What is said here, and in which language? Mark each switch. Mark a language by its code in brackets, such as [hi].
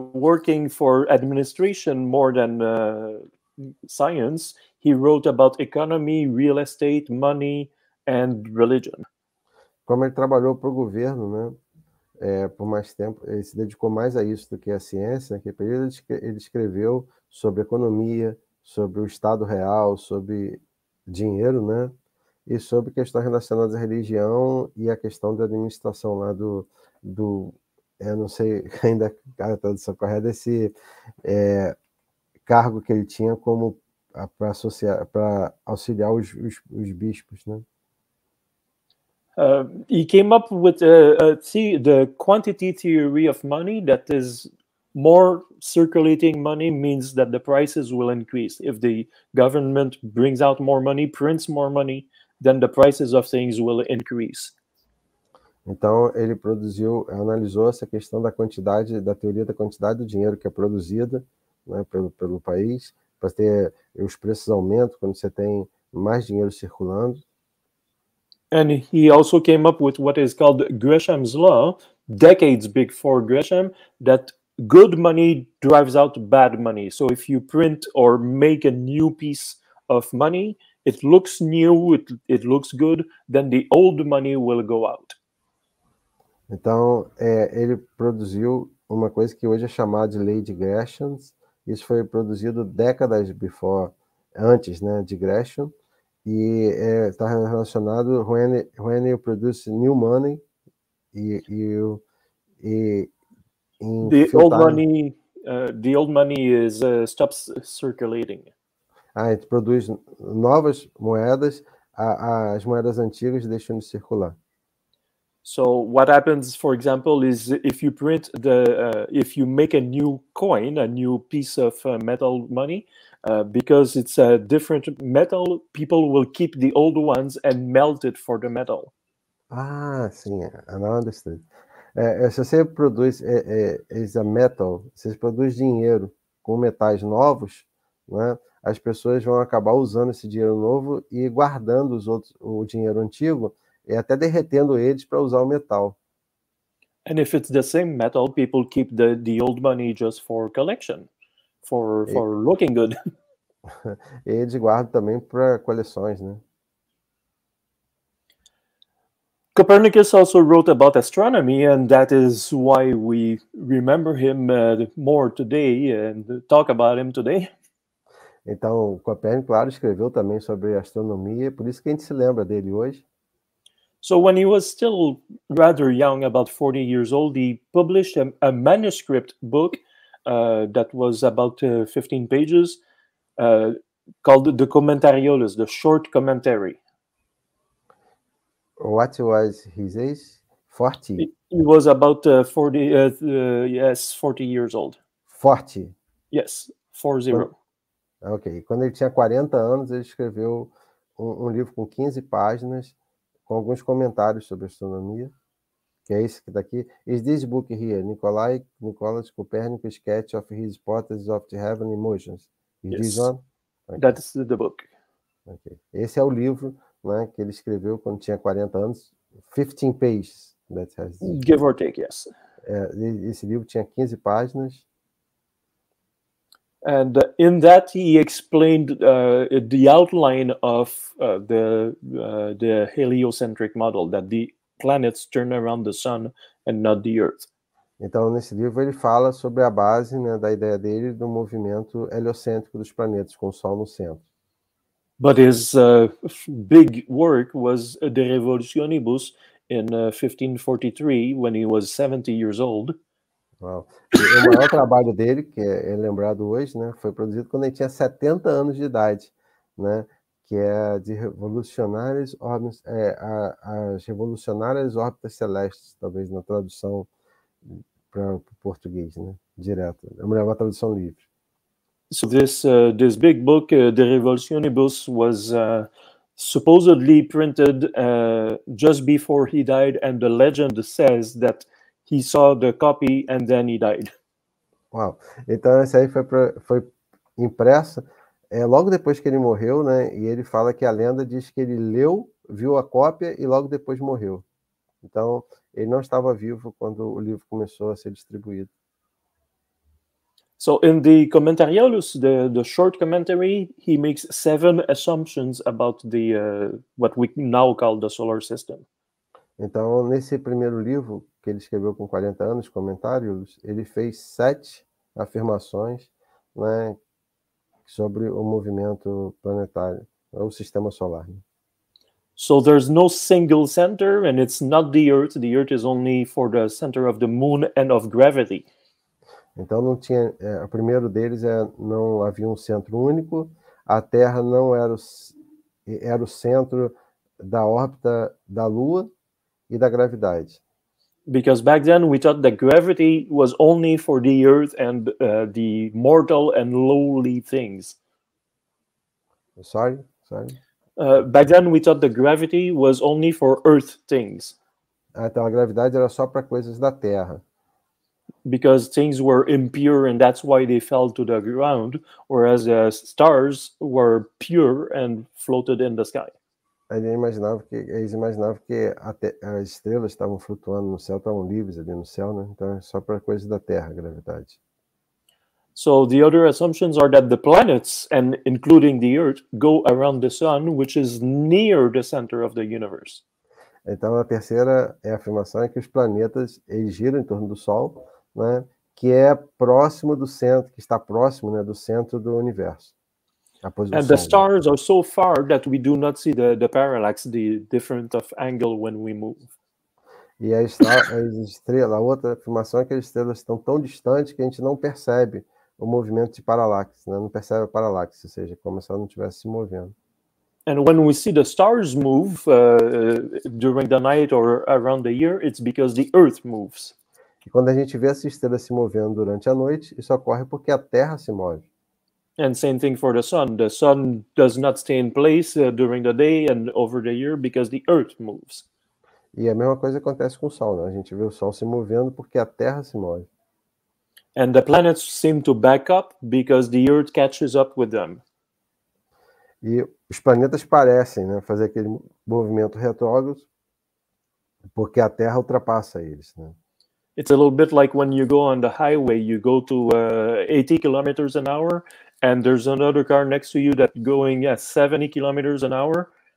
[en] working for administration more than science, he wrote about economy, real estate, money, and religion. [pt] Como ele trabalhou para o governo, né? Por mais tempo, ele se dedicou mais a isso do que a ciência. Naquele período, ele escreveu sobre economia, sobre o estado real, sobre dinheiro, né? E sobre questões relacionadas à religião e a questão da administração lá do eu não sei ainda a tradução correta, esse cargo que ele tinha como para auxiliar os bispos, né? [en] He came up with the quantity theory of money, that is, more circulating money means that the prices will increase. If the government brings out more money, prints more money, then the prices of things will increase. [pt] Então, ele produziu, analisou essa questão da quantidade, da teoria da quantidade do dinheiro que é produzida, né, pelo país, para ter os preços aumentam quando você tem mais dinheiro circulando. [en] And he also came up with what is called Gresham's Law, decades before Gresham, that good money drives out bad money. So if you print or make a new piece of money, it looks new, it looks good, then the old money will go out. [pt] Então, ele produziu uma coisa que hoje é chamada de lei de Gresham. Isso foi produzido décadas [en] before, [pt] antes, né, de Gresham. E está relacionado [en] when you produce new money [pt] e [en] in the old time. Money the old money is stops circulating. [pt] Ah, ele produz novas moedas, as moedas antigas deixam de circular. [en] So what happens, for example, is if you print if you make a new coin, a new piece of metal money, because it's a different metal, people will keep the old ones and melt it for the metal. Ah, [pt] sim, [en] I understand. [pt] Se você produz a metal, se você produz dinheiro com metais novos, né, as pessoas vão acabar usando esse dinheiro novo e guardando o dinheiro antigo. E até derretendo eles para usar o metal. [en] And if it's the same metal, people keep the old money just for collection, for looking good. [pt] E eles guardam também para coleções, né? [en] Copernicus also wrote about astronomy, and that is why we remember him more today and talk about him today. [pt] Então, Copérnico, claro, escreveu também sobre astronomia, por isso que a gente se lembra dele hoje. [en] So when he was still rather young, about 40 years old, he published a manuscript book that was about 15 pages called the Commentariolus, the short commentary. What was his age? 40. He was about 40 years old. 40. Yes, 40. Ok. [pt] Quando ele tinha 40 anos, ele escreveu um livro com 15 páginas, com alguns comentários sobre astronomia, que é esse que está aqui. [en] Is this book here? Nicolaus Copernicus Sketch of His Hypothesis of the Heavenly Motions. Is yes. This one? Okay. That's the book. Okay. [pt] Esse é o livro, né, que ele escreveu quando tinha 40 anos. [en] 15 pages. That has give or take, yes. [pt] Esse livro tinha 15 páginas. [en] And in that he explained the outline of the heliocentric model, that the planets turn around the sun and not the earth. [pt] Então nesse livro ele fala sobre a base, né, da ideia dele do movimento heliocêntrico dos planetas com o sol no centro. [en] But his big work was De Revolutionibus in 1543 when he was 70 years old. [pt] Wow. O maior trabalho dele, que é lembrado hoje, né, foi produzido quando ele tinha 70 anos de idade, né, que é de revolucionárias órbitas, as revolucionárias órbitas celestes, talvez na tradução para o português, né, direto. É melhor uma tradução livre. [en] So this big book, De Revolutionibus, was supposedly printed just before he died, and the legend says that he saw the copy and then he died. [pt] Uau. Então essa aí foi impressa logo depois que ele morreu, né? E ele fala que a lenda diz que ele leu, viu a cópia e logo depois morreu. Então ele não estava vivo quando o livro começou a ser distribuído. [en] So in the Commentariolus, the short commentary, he makes 7 assumptions about the what we now call the solar system. [pt] Então nesse primeiro livro que ele escreveu com 40 anos, comentários, ele fez 7 afirmações, né, sobre o movimento planetário, o sistema solar. Né? [en] So there's no single center and it's not the earth. The earth is only for the center of the moon and of gravity. [pt] Então não tinha, o primeiro deles é não havia um centro único, a Terra não era o centro da órbita da Lua e da gravidade. [en] Because back then we thought that gravity was only for the earth and the mortal and lowly things. Sorry. Back then we thought that gravity was only for earth things. [pt] Ah, então a gravidade era só para coisas da Terra. [en] Because things were impure and that's why they fell to the ground, whereas stars were pure and floated in the sky. [pt] Eles imaginavam que as estrelas estavam flutuando no céu, estavam livres ali no céu, né? Então é só para coisas da Terra, a gravidade. [en] So the other assumptions are that the planets, and including the Earth, go around the Sun, which is near the center of the universe. [pt] Então a terceira afirmação é que os planetas eles giram em torno do Sol, né? Que é próximo do centro, que está próximo, né, do centro do universo. [en] And the stars are so far that we do not see the parallax, the difference of angle when we move. [pt] E as estrelas, a outra afirmação é que as estrelas estão tão distantes que a gente não percebe o movimento de parallax, né? Não percebe a parallax, ou seja, como se ela não estivesse se movendo. [en] And when we see the stars move during the night or around the year, it's because the Earth moves. [pt] E quando a gente vê as estrelas se movendo durante a noite, isso ocorre porque a Terra se move. [en] And same thing for the sun. The sun does not stay in place during the day and over the year because the earth moves. [pt] E a mesma coisa acontece com o sol, né? A gente vê o sol se movendo porque a Terra se move. [en] And the planets seem to back up because the earth catches up with them. [pt] E os planetas parecem, né, fazer aquele movimento retrógrado porque a Terra ultrapassa eles, né? [en] It's a little bit like when you go on the highway, you go to 80 kilometers an hour, and there's another car next to you that's going at 70 kilometers an hour.